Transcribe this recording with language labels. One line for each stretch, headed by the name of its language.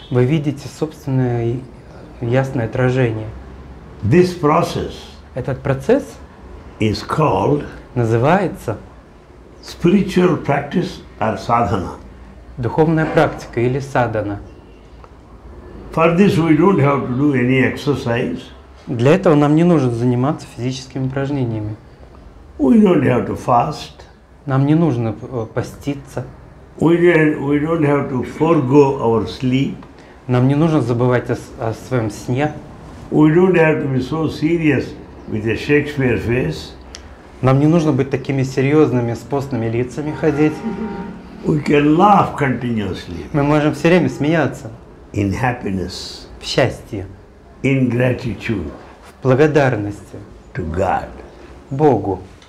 Russian: Вы видите собственное ясное отражение.
English: This process.
Russian: Этот процесс.
English: Is called.
Russian: Называется.
English: Spiritual practice or sadhana.
Russian: Духовная практика или садхана.
English: For this we don't have to do any exercise.
Russian: Для этого нам не нужно заниматься физическими упражнениями.
English: We don't have to fast.
Russian: Нам не нужно поститься.
English: We don't have to forgo our sleep.
Russian: Нам не нужно забывать о своем сне.
English: We don't have to be so serious with a Shakespeare face.
Russian: Нам не нужно быть такими серьезными, с постными лицами ходить.
English: We can laugh continuously.
Russian: Мы можем все время смеяться.
English: In happiness.
Russian: В счастье.
English: In gratitude.
Russian: В благодарности.
English: To God.
Russian: Богу.